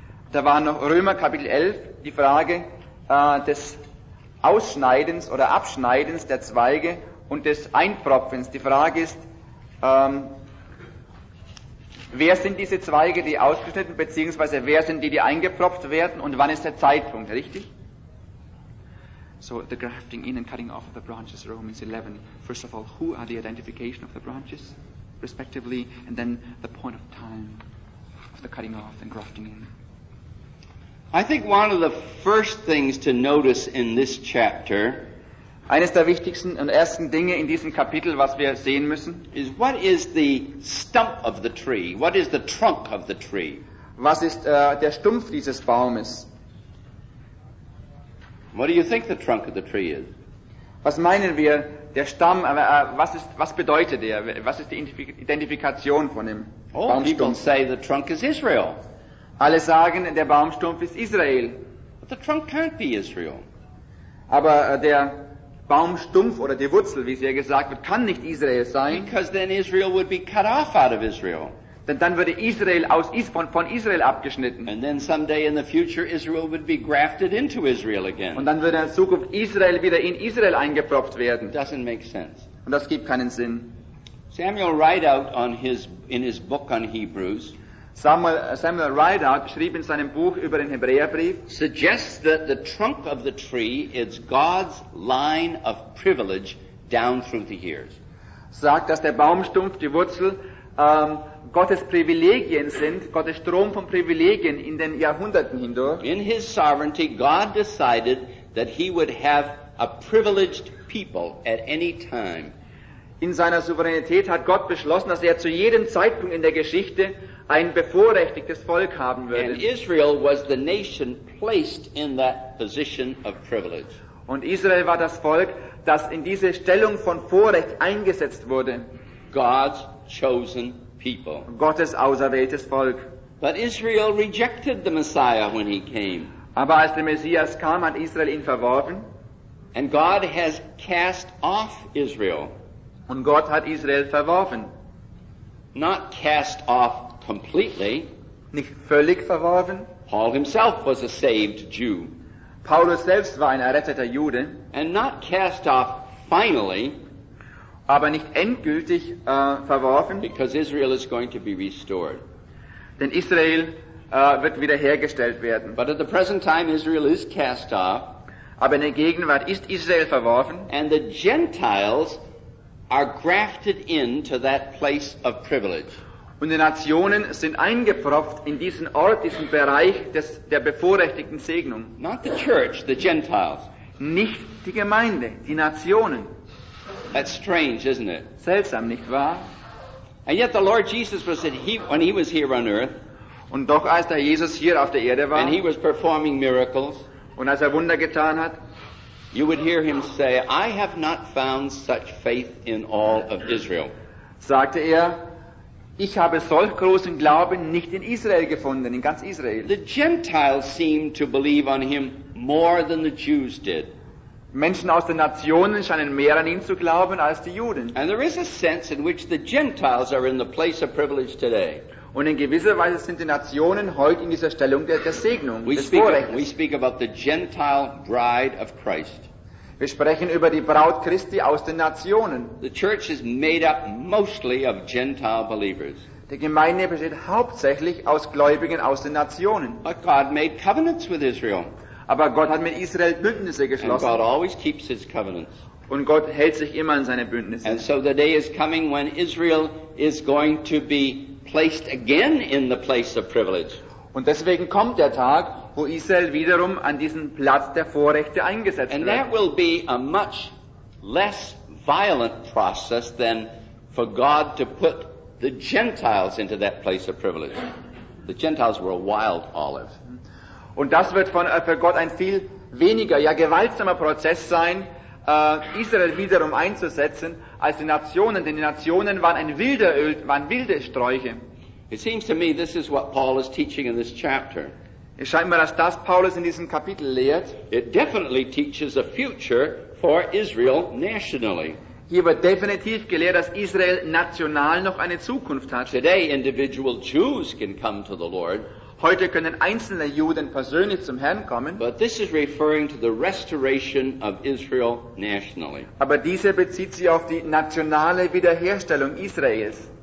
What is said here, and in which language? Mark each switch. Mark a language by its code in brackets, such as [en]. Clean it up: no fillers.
[de] Da war noch Römer Kapitel 11 die Frage des Ausschneidens oder Abschneidens der Zweige und des Einpropfens. Die Frage ist, wer sind diese Zweige, die ausgeschnitten, beziehungsweise wer sind die, die eingepropft werden, und wann ist der Zeitpunkt, richtig? [en] So, the grafting in and cutting off of the branches, Romans 11. First of all, who are the identification of the branches, respectively, and then the point of time of the cutting off and grafting in. I think one of the first things to notice in this chapter, [de] eines der wichtigsten und ersten Dinge in diesem Kapitel, was wir sehen müssen, [en] is what is the stump of the tree? What is the trunk of the tree? [de] Was ist der Stumpf dieses Baumes? [en] What do you think the trunk of the tree is? [de] Was meinen wir, der Stamm, was bedeutet er? Was ist die Identifikation von dem Baumstumpf? [en] Oh, people say the trunk is Israel. [de] Alle sagen, der Baumstumpf ist Israel. [en] But the trunk can't be Israel. [de] Aber der Baumstumpf oder die Wurzel, wie es hier gesagt wird, kann nicht Israel sein. [en] Because then Israel would be cut off out of Israel. [de] Denn dann würde Israel von Israel abgeschnitten. [en] And then someday in the future Israel would be grafted into Israel again. [de] Und dann würde in Zukunft Israel wieder in Israel eingepropft werden. [en] Doesn't make sense. [de] Und das gibt keinen Sinn. [en] Samuel Rideout in his book on Hebrews. [de] Samuel Rideout schrieb in seinem Buch über den Hebräerbrief, [en] suggests that the trunk of the tree is God's line of privilege down through the years. [de] Sagt, dass der Baumstumpf, die Wurzel, Gottes Privilegien sind, Gottes Strom von Privilegien in den Jahrhunderten hindurch. [en] In his sovereignty, God decided that he would have a privileged people at any time. [de] In seiner Souveränität hat Gott beschlossen, dass er zu jedem Zeitpunkt in der Geschichte ein bevorrechtigtes Volk haben würde. [en] And Israel was the nation placed in that position of privilege. [de] Und Israel war das Volk, das in diese Stellung von Vorrecht eingesetzt wurde. [en] God's chosen people. [de] Gottes auserwähltes Volk. [en] But Israel rejected the Messiah when he came. [de] Aber als der Messias kam, hat Israel ihn verworfen. [en] And God has cast off Israel. [de] Und Gott hat Israel verworfen. [en] Not cast off completely. [de] Nicht völlig verworfen. [en] Paul himself was a saved Jew. [de] Paulus selbst war ein erretteter Jude. [en] And not cast off finally. [de] Aber nicht endgültig verworfen. [en] Because Israel is going to be restored. [de] Denn Israel wird wiederhergestellt werden. [en] But at the present time Israel is cast off. [de] Aber in der Gegenwart ist Israel verworfen. [en] And the Gentiles are grafted into that place of privilege. [de] Und die Nationen sind eingepropft in diesen Ort, diesen Bereich der bevorrechtigten Segnung. [en] Not the church, the Gentiles. [de] Nicht die Gemeinde, die Nationen. [en] That's strange, isn't it? [de] Seltsam, nicht wahr? [en] And yet the Lord Jesus was at when he was here on earth. [de] Und doch als der Jesus hier auf der Erde war. [en] And he was performing miracles. [de] Und als Wunder getan hat. [en] You would hear him say, "I have not found such faith in all of Israel." [de] Sagte er. Ich habe solch großen Glauben nicht in Israel gefunden, in ganz Israel. [en] The Gentiles seemed to believe on him more than the Jews did. [de] Menschen aus den Nationen scheinen mehr an ihn zu glauben als die Juden. [en] And there is a sense in which the Gentiles are in the place of privilege today. [de] Und in gewisser Weise sind die Nationen heute in dieser Stellung der Segnung, des Vorrechts. [en] We speak about the Gentile bride of Christ. [de] Wir sprechen über die Braut Christi aus den Nationen. [en] The church is made up mostly of Gentile believers. [de] Die Gemeinde besteht hauptsächlich aus Gläubigen aus den Nationen. [en] But God made covenants with Israel. [de] Aber Gott hat mit Israel Bündnisse geschlossen. [en] And God always keeps his covenants. [de] Und Gott hält sich immer an seine Bündnisse. [en] And so the day is coming when Israel is going to be placed again in the place of privilege. [de] Und deswegen kommt der Tag, wo Israel wiederum an diesen Platz der Vorrechte eingesetzt [en] and [de] wird. [en] And that will be a much less violent process than for God to put the Gentiles into that place of privilege. The Gentiles were a wild olive. [de] Und das wird für Gott ein viel weniger, ja gewaltsamer Prozess sein, Israel wiederum einzusetzen als die Nationen, denn die Nationen waren wilde Sträuche. [en] It seems to me this is what Paul is teaching in this chapter. [de] Es scheint mir, dass das Paulus in diesem Kapitel lehrt. [en] It definitely teaches a future for Israel nationally. [de] Hier wird definitiv gelehrt, dass Israel national noch eine Zukunft hat. [en] Today individual Jews can come to the Lord. [de] Heute können einzelne Juden persönlich zum Herrn kommen. [en] But this is referring to the restoration of Israel nationally. [de] Aber diese bezieht sich auf die nationale Wiederherstellung Israels.